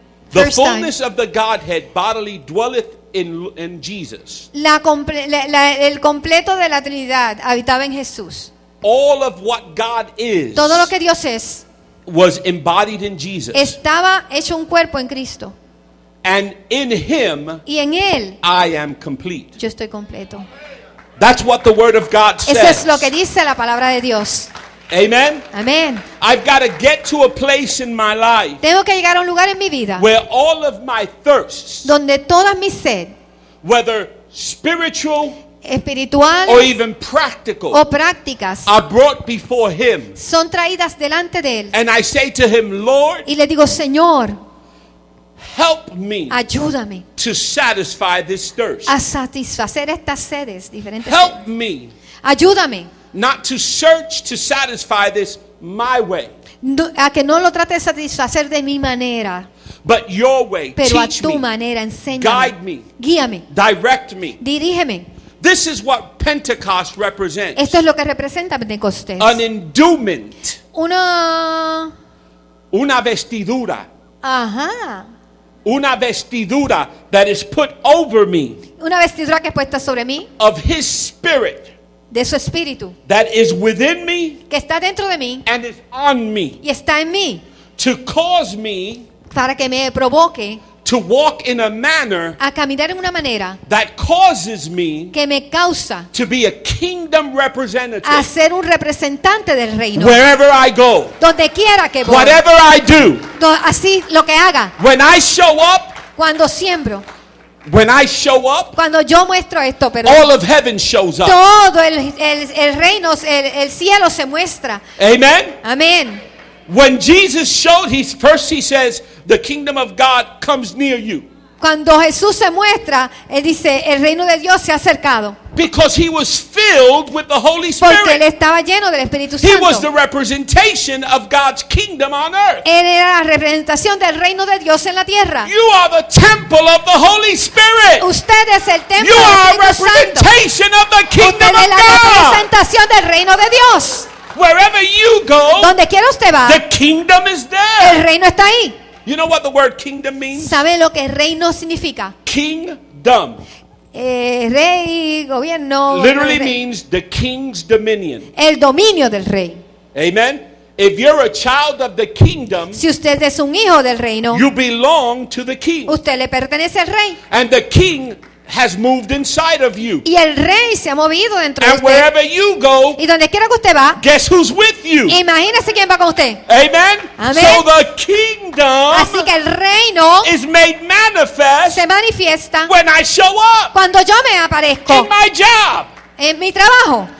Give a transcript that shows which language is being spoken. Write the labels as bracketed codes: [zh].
[en] The fullness of the Godhead bodily dwelleth in Jesus. [es] El completo de la Trinidad habitaba en Jesús. [en] All of what God is. [es] Todo lo que Dios es. [en] Was embodied in Jesus. [es] Estaba hecho un cuerpo en Cristo. [en] And in him, [es] y en él, [en] I am complete. [es] Yo estoy completo. [en] That's what the word of God says. [es] Eso es lo que dice la palabra de Dios. [en] Amen. [es] Amen. [en] I've got to get to a place in my life. [es] Tengo que llegar a un lugar en mi vida. [en] Where all of my thirsts. [es] Donde toda mi sed. [en] Whether spiritual. [es] Espiritual. [en] Or even practical. [es] O prácticas. [en] Are brought before him. [es] Son traídas delante de él. [en] And I say to him, Lord. [es] Y le digo, Señor. [en] Help me. [es] Ayúdame. [en] To satisfy this thirst. [es] A satisfacer estas sedes diferentes. [en] Help me. [es] Ayúdame. [en] Not to search to satisfy this my way. [es] No, a que no lo trate de satisfacer de mi manera. [en] But your way. [es] Pero [en] teach [es] a tu [en] me. [es] Manera, enséñame. [en] Guide me. [es] Guíame. [en] Direct me. [es] Dirígeme. [en] This is what Pentecost represents. [es] Esto es lo que representa Pentecostés. [en] An endowment. [es] Una vestidura. Ajá. Una vestidura [en] that is put over me. [es] Una vestidura que es puesta sobre mí. [en] Of his spirit. [es] De su espíritu. [en] That is within me. [es] Que está dentro de mí. [en] And is on me. [es] Y está en mí. [en] To cause me. [es] Para que me provoque. [en] To walk in a manner. [es] A caminar en una manera. [en] That causes me. [es] Que me causa. [en] To be a kingdom representative. [es] A ser un representante del reino. [en] Wherever I go. [es] Donde quiera que voy. [en] Whatever I do. [es] Así lo que haga. [en] When I show up. [es] Cuando siembro. [en] When I show up, [es] cuando yo muestro esto, pero [en] all of heaven shows up. [es] Todo el reino, el cielo se muestra. [en] Amen. [es] Amen. [en] When Jesus showed, he says, the kingdom of God comes near you. [es] Cuando Jesús se muestra, él dice, el reino de Dios se ha acercado. [en] Because he was filled with the Holy Spirit. [es] Porque él estaba lleno del Espíritu Santo. [en] He was the representation of God's kingdom on earth. [es] Él era la representación del reino de Dios en la tierra. [en] You are the temple of the Holy Spirit. [es] Usted es el templo [en] you [es] del Espíritu Santo. [en] You are a representation [es] Santo. [en] Of the kingdom [es] usted [en] of God. [es] Usted es la representación del reino de Dios. [en] Wherever you go, [es] donde quiera usted va, [en] the kingdom is there. [es] El reino está ahí. [en] You know what the word kingdom means? [es] ¿Sabe lo que reino significa? [en] Kingdom. [es] Rey, gobierno. [en] Literally [es] rey. [en] Means the king's dominion. [es] El dominio del rey. [en] Amen. If you're a child of the kingdom, [es] si usted es un hijo del reino, [en] you belong to the king. [es] Usted le pertenece al rey. [en] And the king has moved inside of you. [es] Y el rey se ha movido dentro [en] and [es] de usted. [en] Wherever you go, [es] y donde quiera que usted va, [en] guess who's with you? [es] Imagínese quién va con usted. [en] Amen. [es] Amen. [en] So the kingdom, [es] así que el reino, [en] is made manifest, [es] se manifiesta [en] when I show up, [es] cuando yo me aparezco, [en] in my job, [es] en mi trabajo,